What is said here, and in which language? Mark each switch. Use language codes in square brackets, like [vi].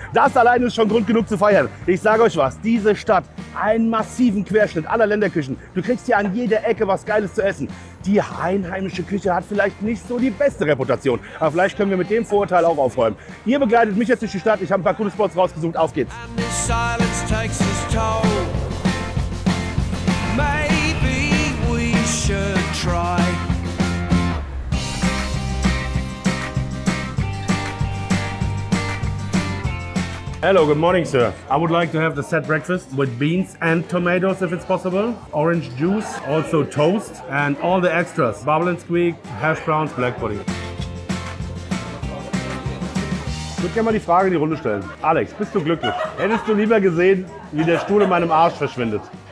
[de] Das allein ist schon Grund genug zu feiern. Ich sage euch was, diese Stadt, einen massiven Querschnitt aller Länderküchen. Du kriegst hier an jeder Ecke was Geiles zu essen. Die einheimische Küche hat vielleicht nicht so die beste Reputation. Aber vielleicht können wir mit dem Vorurteil auch aufräumen. Ihr begleitet mich jetzt durch die Stadt. Ich habe ein paar coole Spots rausgesucht. Auf geht's. [en] And the silence takes its toll. Maybe we should try. Hello, good morning, sir. I would like to have the set breakfast with beans and tomatoes, if it's possible. Orange juice, also toast, and all the extras. Bubble and squeak, hash browns, black pudding. [de] Ich würde gerne mal die Frage in die Runde stellen. Alex, bist du glücklich? Hättest du lieber gesehen, wie der Stuhl in meinem Arsch verschwindet?